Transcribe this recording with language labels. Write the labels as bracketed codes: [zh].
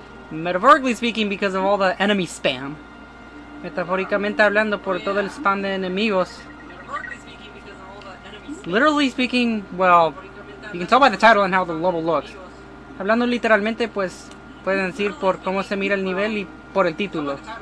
[en] Metaphorically speaking, because of all the enemy spam. [es] Metaphoricamente hablando, por todo el spam de enemigos. [en] Literally speaking, well, you can tell by the title and how the level looks. [es] Hablando literalmente, pues, pueden decir por cómo se mira el nivel y por el título.